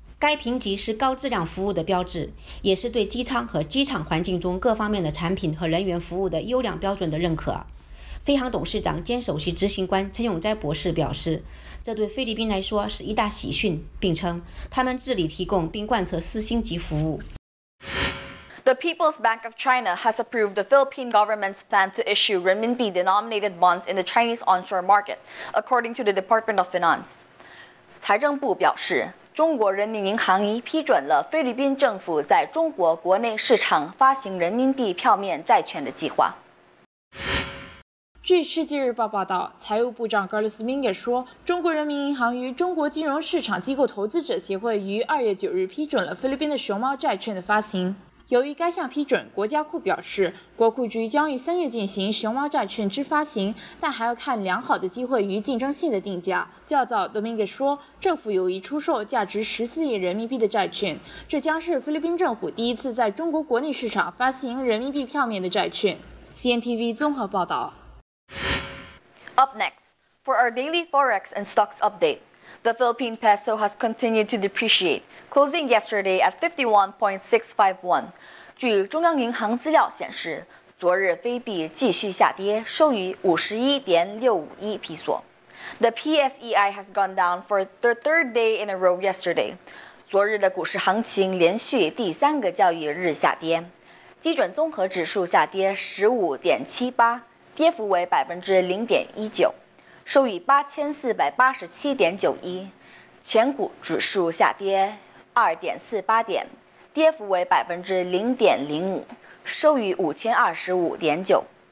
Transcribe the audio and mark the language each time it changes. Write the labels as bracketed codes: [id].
[zh] 该评级是高质量服务的标志，也是对机舱和机场环境中各方面的产品和人员服务的优良标准的认可。飞航董事长兼首席执行官陈永斋博士表示，这对菲律宾来说是一大喜讯，并称他们致力提供并贯彻四星级服务。 [en] The People's Bank of China has approved the Philippine government's plan to issue renminbi-denominated bonds in the Chinese onshore market, according to the Department of Finance. [zh] 财政部表示，中国人民银行已批准了菲律宾政府在中国国内市场发行人民币票面债券的计划。据世界日报报道，财务部长 Carlos Dominguez 说，中国人民银行与中国金融市场机构投资者协会于2月9日批准了菲律宾的熊猫债券的发行。由于该项批准，国家库表示，国库局将于3月进行熊猫债券之发行，但还要看良好的机会与竞争性的定价。较早 ，Dominguez 说，政府有意出售价值14亿人民币的债券，这将是菲律宾政府第一次在中国国内市场发行人民币票面的债券。 CNTV 综合报道。 [en] Up next, for our daily forex and stocks update. The Philippine peso has continued to depreciate, closing yesterday at 51.651. [zh] 据中央银行资料显示，昨日菲币继续下跌，收于 51.651 比索。 [en] The PSEI has gone down for the third day in a row yesterday. [zh] 昨日的股市行情连续第三个交易日下跌，基准综合指数下跌 15.78， 跌幅为 0.19%。收于8487.91，全股指数下跌2.48点，跌幅为0.05%，收于5025.9。